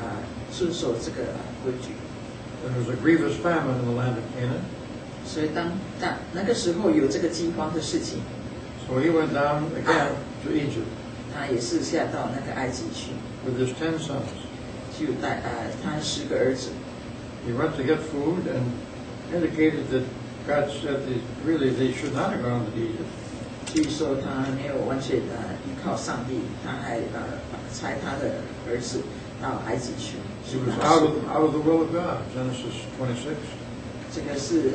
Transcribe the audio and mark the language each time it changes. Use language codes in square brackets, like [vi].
[zh] 第七就是雅各，他没有遵守这个规矩。 [en] There was a grievous famine in the land of Canaan. [zh] 所以当那个时候有这个饥荒的事情。 [en] So he went down again to Egypt. [zh] 他也是下到那个埃及去。 [en] With his 10 sons. [zh] 就带他10个儿子。 [en] He went to get food and indicated that God said that really they should not have gone to Egypt. [zh] 据说他没有完全依靠上帝，他还差他的儿子到埃及去。 [en] He was out of the will of God, Genesis 26.